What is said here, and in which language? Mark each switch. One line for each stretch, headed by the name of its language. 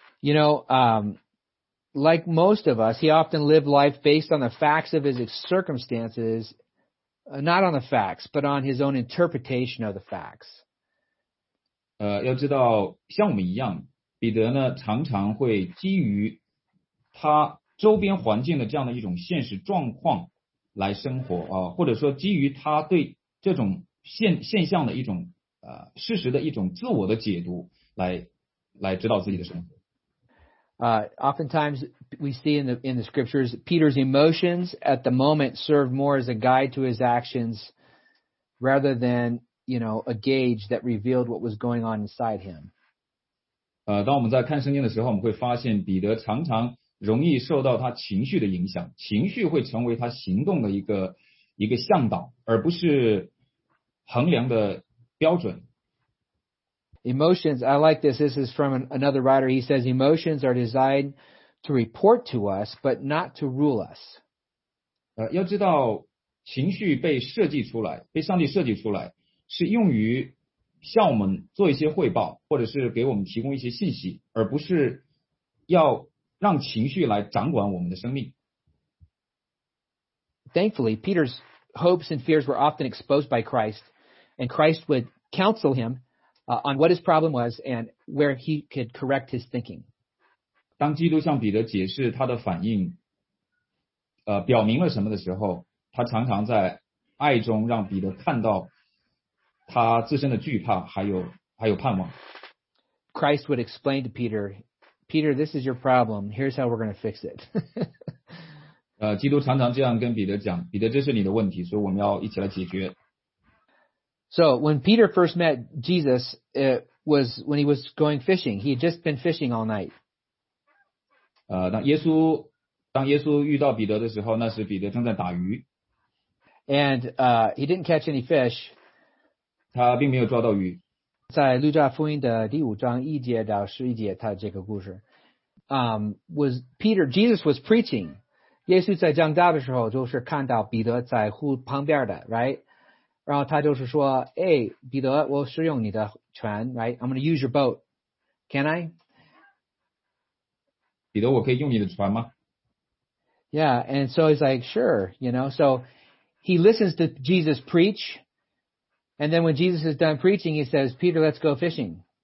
English: You know, like most of us, he often lived life based on the facts of his circumstances, not on the facts, but on his own interpretation of the facts.
Chinese: 要知道，像我们一样，彼得呢常常会基于他周边环境的这样的一种现实状况来生活啊，或者说基于他对这种现象的一种事实的一种自我的解读来指导自己的生活。
English: Oftentimes we see in the scriptures Peter's emotions at the moment serve more as a guide to his actions rather than, you know, a gauge that revealed what was going on inside him.
Chinese: 当我们在看圣经的时候，我们会发现彼得常常容易受到他情绪的影响，情绪会成为他行动的一个向导，而不是衡量的标准。
English: Emotions, I like this. This is from another writer. He says, emotions are designed to report to us, but not to rule us.
Chinese: 要知道情绪被设计出来，被上帝设计出来，是用于向我们做一些汇报，或者是给我们提供一些信息，而不是要让情绪来掌管我们的生命。
English: Thankfully, Peter's hopes and fears were often exposed by Christ, and Christ would counsel him on what his problem was and where he could correct his thinking.
Chinese: 当基督向彼得解释他的反应，表明了什么的时候，他常常在爱中让彼得看到他自身的惧怕，还有盼望。
English: Christ would explain to Peter, this is your problem. Here's how we're going to fix it.
Chinese: 基督常常这样跟彼得讲，彼得，这是你的问题，所以我们要一起来解决。
English: So when Peter first met Jesus, it was when he was going fishing. He had just been fishing all night.
Chinese: 当耶稣遇到彼得的时候，那是彼得正在打鱼。
English: And he didn't catch any fish.
Chinese: 他并没有抓到鱼。在路加福音的第五章一节到十一节，他这个故事。
English: Jesus was preaching.
Chinese: 耶稣在讲道的时候，就是看到彼得在湖旁边的 ，right？然后他就是说，哎，彼得，我使用你的船 ，right?
English: I'm going to use your boat. Can I?
Chinese: 彼得，我可以用你的船吗
English: ？Yeah, and so he's like, sure, you know. So he listens to Jesus preach, and then when Jesus is done preaching, he says, Peter, let's go fishing.